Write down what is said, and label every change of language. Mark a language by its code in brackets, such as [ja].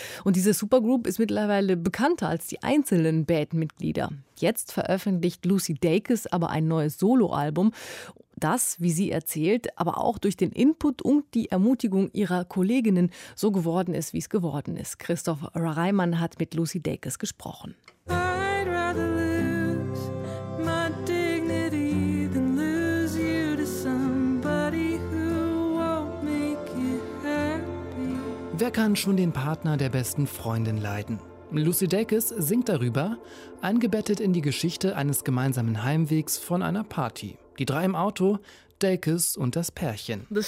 [de] Und diese Supergroup ist mittlerweile bekannter als die einzelnen Bandmitglieder. Jetzt veröffentlicht Lucy Dacus aber ein neues Soloalbum. Das, wie sie erzählt, aber auch durch den Input und die Ermutigung ihrer Kolleginnen so geworden ist, wie es geworden ist. Christoph Reimann hat mit Lucy Dacus gesprochen. [en] I'd rather lose my dignity than lose you to somebody who won't make you happy. [de] Wer kann schon den Partner der besten Freundin leiden? Lucy Dacus singt darüber, eingebettet in die Geschichte eines gemeinsamen Heimwegs von einer Party. Die drei im Auto, Dacus und das Pärchen.